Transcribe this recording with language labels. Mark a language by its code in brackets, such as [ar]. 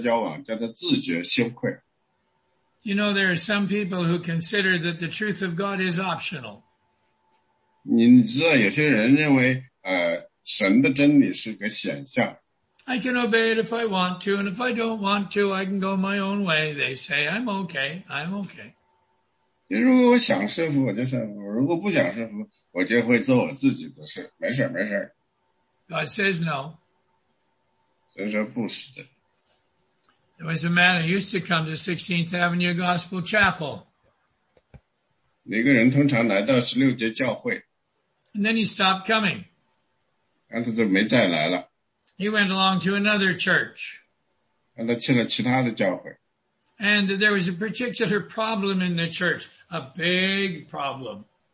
[zh] 第十四节说,若有人不听从我们这献上的话,要记下他,不和他交往,叫他自觉羞愧。 [en] You know, there are some people who consider that the truth of God is optional. [zh] 你知道有些人认为,神的真理是个显象。 [en] I can obey it if I want to, and if I don't want to, I can go my own way. They say, I'm okay, I'm okay. [zh] 如果我想顺服,我就顺服,如果不想顺服,我就会做我自己的事,没事,没事。 [en] God says no. [zh] 神说不是的。 [en] There was a man who used to come to 16th Avenue Gospel Chapel. [zh] 每个人通常来到16节教会。 [en] And then he stopped coming. [zh] 然后他就没再来了。 [en] He went along to another church. [zh] 然后他去了其他的教会。 [en] And there was a particular problem in the church, a big problem.